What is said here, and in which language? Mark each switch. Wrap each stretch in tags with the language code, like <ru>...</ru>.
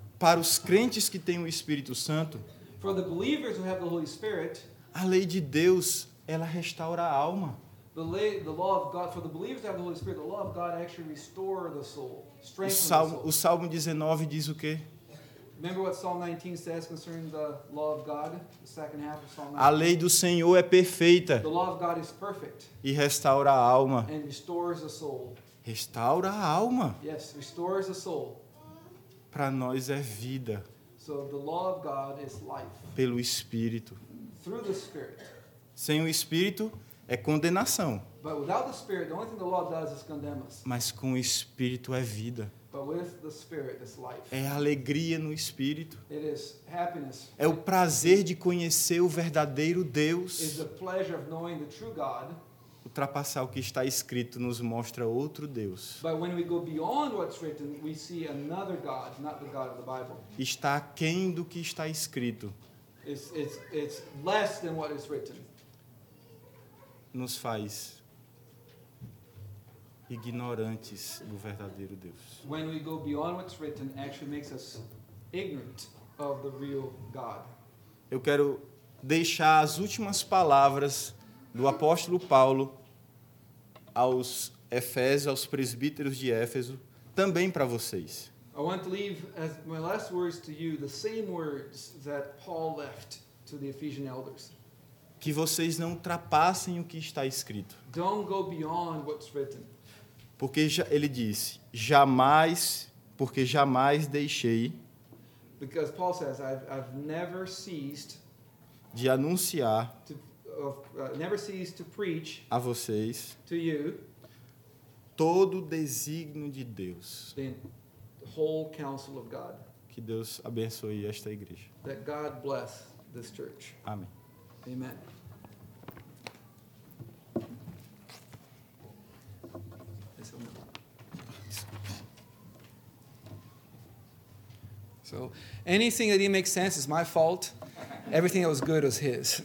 <pt>Para os crentes que têm o Espírito Santo,</pt> <en>for the believers who have the Holy Spirit,</en> <pt>a lei de Deus, ela restaura a alma.</pt> <en>The law of God, for the believers who have the Holy Spirit, the law of God actually restores the soul. Strengthens the soul.</en> <pt>O Salmo 19 diz o quê?</pt> <en>Remember what Psalm 19 says concerning the law of God, the second half of Psalm 19.</en> <pt>A lei do Senhor é perfeita.</pt> <en>The law of God is perfect.</en> <pt>E restaura a alma.</pt> <en>And restores the soul.</en> <pt>Restaura a alma.</pt> <en>Yes, restores the soul.</en> <pt>Para nós é vida.</pt> <en>So the law of God is life.</en> <pt>Pelo Espírito.</pt> <en>Through the Spirit.</en> <pt>Sem o Espírito é condenação.</pt> <en>But without the Spirit, the only thing the law does is condemn us.</en> <pt>Mas com o Espírito é vida.</pt> <en>But with the Spirit, it's life.</en> <pt>É alegria no Espírito.</pt> <en>It is happiness.</en> <pt>É o prazer de conhecer o verdadeiro Deus.</pt> <en>It's the pleasure of knowing the true God.</en> <pt>Ultrapassar o que está escrito nos mostra outro Deus.</pt> <en>But when we go beyond what's written, we see another God, not the God of the Bible.</en> <pt>Está aquém do que está escrito.</pt> <en>It's less than what is written.</en> <pt>nos faz ignorantes do verdadeiro Deus.</pt> <en>When we go beyond what's written, actually makes us ignorant of the real God.</en> <pt>Eu quero deixar as últimas palavras do apóstolo Paulo aos Efésios, aos presbíteros de Éfeso, também para vocês.</pt> <en>I want to leave as my last words to you the same words that Paul left to the Ephesian elders.</en> <pt>Que vocês não ultrapassem o que está escrito.</pt> <en>Don't go beyond what's written.</en> <pt>Porque já, ele disse, jamais deixei.</pt> <en>Because Paul says, I've never ceased</en> <pt>de anunciar</pt> <en>never ceased to preach</en> <pt>a vocês</pt> <en>to you</en> <pt>todo o desígnio de Deus.</pt> <en>The whole counsel of God.</en> <pt>Que Deus abençoe esta igreja.</pt> <en>That God bless this church.</en> <pt>Amém.</pt> <en>Amen. So, anything that didn't make sense is my fault. Everything that was good was his.</en>